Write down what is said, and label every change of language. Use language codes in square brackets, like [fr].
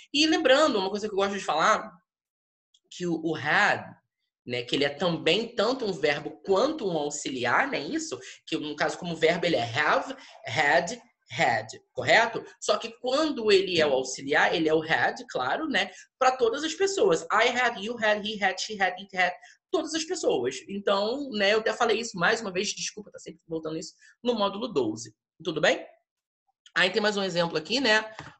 [pt] E lembrando, uma coisa que eu gosto de falar, que o had, né, que ele é também tanto um verbo quanto um auxiliar, né, isso? Que no caso, como verbo, ele é have, had, had, correto? Só que quando ele é o auxiliar, ele é o had, claro, né? Para todas as pessoas. [en] I had, you had, he had, she had, it had. [pt] Todas as pessoas. Então, né, eu até falei isso mais uma vez, desculpa, tá sempre voltando isso, no módulo 12. Tudo bem? Aí tem mais um exemplo aqui, né?